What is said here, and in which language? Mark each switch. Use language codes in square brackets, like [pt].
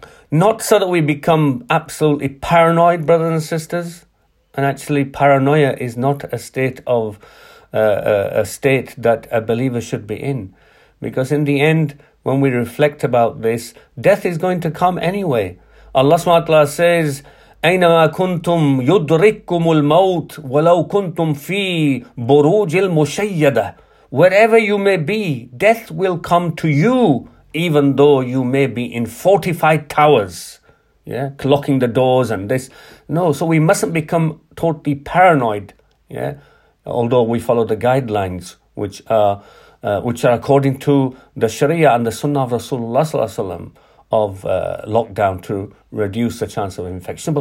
[en] Not so that we become absolutely paranoid, brothers and sisters. And actually, paranoia is not a state of a state that a believer should be in. Because in the end, when we reflect about this, death is going to come anyway. Allah subhanahu wa ta'ala says, [ar] أَيْنَمَا كُنْتُمْ يُدْرِكُمُ الْمَوْتِ وَلَوْ كُنْتُمْ فِي بُرُوجِ الْمُشَيَّدَةِ. [en] Wherever you may be, death will come to you, even though you may be in fortified towers, locking the doors and this. No, so we mustn't become totally paranoid, although we follow the guidelines, which are according to the Sharia and the Sunnah of Rasulullah sallallahu alaihi wasallam of lockdown to reduce the chance of infection.